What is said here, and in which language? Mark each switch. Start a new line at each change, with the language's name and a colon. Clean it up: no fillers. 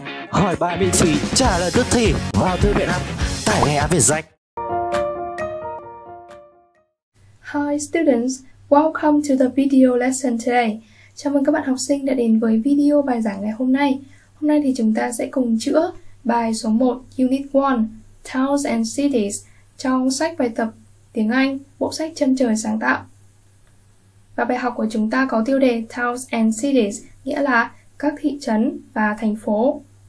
Vietnamese: Hỏi bài miễn phí, trả lời tức thì vào thư viện học, tải ngay về danh.
English: Hi students, welcome to the video lesson today.
Vietnamese: Chào mừng các bạn học sinh đã đến với video bài giảng ngày hôm nay. Hôm nay thì chúng ta sẽ cùng chữa bài số 1, Unit 1, Towns and Cities, trong sách bài tập tiếng Anh, bộ sách Chân Trời Sáng Tạo. Và bài học của chúng ta có tiêu đề Towns and Cities, nghĩa là các thị trấn và thành phố.